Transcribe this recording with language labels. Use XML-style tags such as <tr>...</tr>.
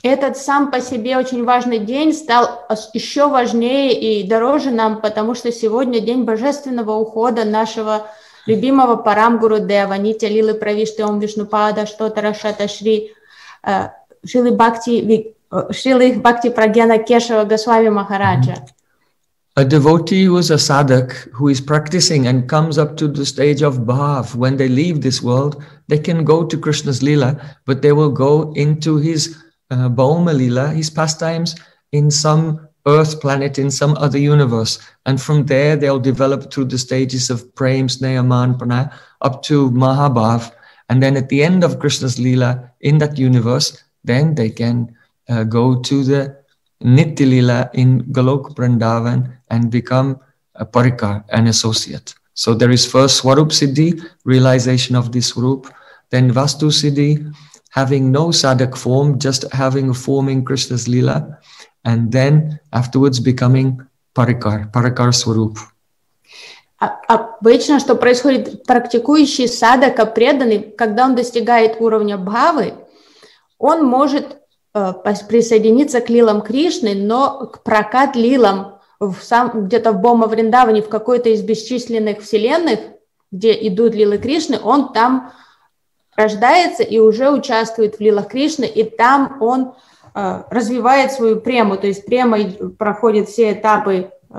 <ru>Этот сам по себе очень важный день стал еще важнее и дороже нам, потому что сегодня день божественного ухода нашего любимого Парам Гуру Дева, Нитя Лилы Правишты Ом Вишнупада, Штотара Шата Шри, Шрилы Бхакти Вик. Шрилы Бхакти Прагьяна Кешава Госвами Махараджа.</ru> <en>A devotee who is a sadhak, who is practicing and comes up to the stage of bhav, when they leave this world, they can go to Krishna's lila, but they will go into his bhauma lila, his pastimes, in some earth planet, in some other universe. And from there, they'll develop through the stages of prem, sneha, man, prana, up to mahabhav. And then at the end of Krishna's lila, in that universe, then they can go to the Nitya Lila in Golok Vrindavan and become a parikar, an associate. So there is first Swarup Siddhi, realization of this Swarup, then Vastu Siddhi, having no sadhak form, just having a form in Krishna's Lila, and then afterwards becoming parikar, parikar Swarup.</en> <ru>Обычно, что происходит, практикующий садака, преданный, когда он достигает уровня бхавы, он может присоединиться к лилам Кришны, но к прокат лилам в сам, где-то в Бома Вриндаване, в какой-то из бесчисленных вселенных, где идут лилы Кришны, он там рождается и уже участвует в лилах Кришны, и там он развивает свою прему, то есть према проходит все этапы</ru>